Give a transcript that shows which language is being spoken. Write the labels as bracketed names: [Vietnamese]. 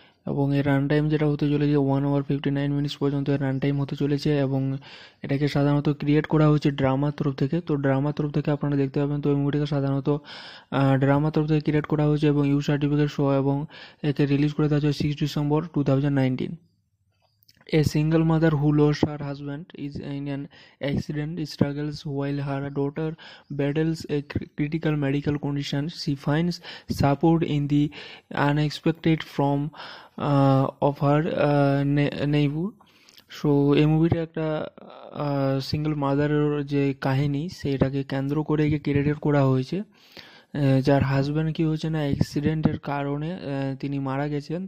[Bangla] এবং এর run time যেটা হতে চলেছে 1 আওয়ার 59 মিনিটস পর্যন্ত এর রান টাইম হতে চলেছে। এবং এটাকে সাধারণত ক্রিয়েট করা হয়েছে ড্রামার তরফ থেকে। তো ড্রামার তরফ থেকে আপনারা দেখতে পাবেন, তো এই মুভিটাকে সাধারণত ড্রামার তরফ থেকে ক্রিয়েট করা হয়েছে এবং ইউ সার্টিফিকেট সহ। এবং একে রিলিজ করে দেওয়া হয়েছে 6 December 2019। [English] A single mother who lost her husband is in an accident struggles while her daughter battles a critical medical condition. She finds support in the unexpected from of her neighbor. [Bangla] So এই মুভিটা একটা single মাদারের যে কাহিনী সেটাকে কেন্দ্র করে create করা হয়েছে, যার হাজব্যান্ড কি হয়েছে না অ্যাক্সিডেন্টের কারণে তিনি মারা গেছেন।